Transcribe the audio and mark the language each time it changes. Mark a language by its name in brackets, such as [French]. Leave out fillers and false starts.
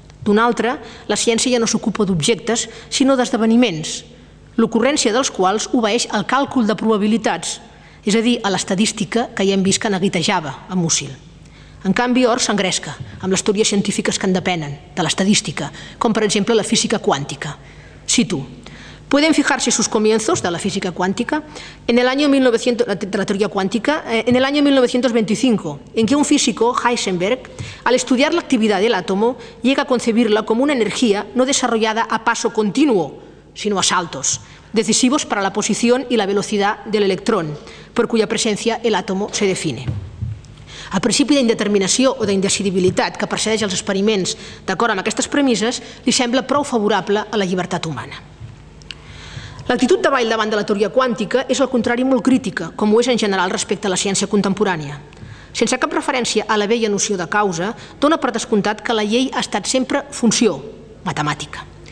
[Catalan] D'una altra, la ciència ja no s'ocupa d'objectes, sinó d'esdeveniments, l'ocurrència dels quals obeeix al càlcul de probabilitats, és a dir, a l'estadística que ja hem vist que neguitejava a Musil. En canvi, Hors s'engresca amb les teories científiques que en depenen, de l'estadística, com per exemple la física quàntica. [Spanish] Cito, pueden fijarse sus comienzos de la física cuántica en el año 1900, de la teoría cuántica, en el año 1925, en que un físico, Heisenberg, al estudiar la actividad del átomo, llega a concebirla como una energía no desarrollada a paso continuo, sino a saltos, decisivos para la posición y la velocidad del electrón, por cuya presencia el átomo se define. [Catalan] El principi d'indeterminació o d'indecidibilitat que precedeix els experiments d'acord amb aquestes premisses li sembla prou favorable a la llibertat humana. L'actitud de Bail davant de la teoria quàntica és al contrari molt crítica, com ho és en general respecte a la ciència contemporània. Sense cap referència a la vella noció de causa, dona per descomptat que la llei ha estat sempre funció matemàtica.